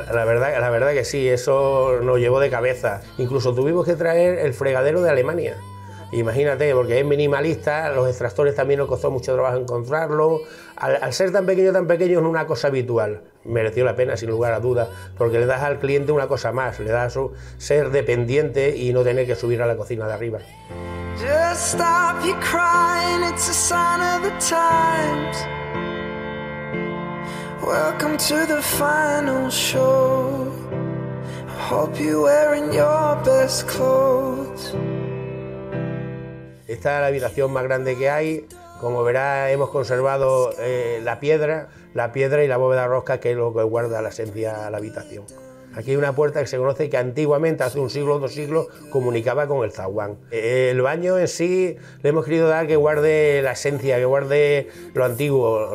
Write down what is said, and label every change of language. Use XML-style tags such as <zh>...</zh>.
<es>La verdad que sí, eso nos llevó de cabeza. Incluso tuvimos que traer el fregadero de Alemania. Imagínate, porque es minimalista, los extractores también nos costó mucho trabajo encontrarlo. Al ser tan pequeño es una cosa habitual. Mereció la pena, sin lugar a dudas, porque le das al cliente una cosa más, le das a ser dependiente y no tener que subir a la cocina de arriba.</es> <en>Just stop your crying, it's a sign of the times. Welcome to the final show. Hope you're wearing your best clothes.</en> <es>Esta es la habitación más grande que hay. Como verá, hemos conservado la piedra y la bóveda rosca, que es lo que guarda la esencia de la habitación. Aquí hay una puerta que se conoce que antiguamente, hace un siglo o dos siglos, comunicaba con el zaguán. El baño en sí le hemos querido dar que guarde la esencia, que guarde lo antiguo.</es>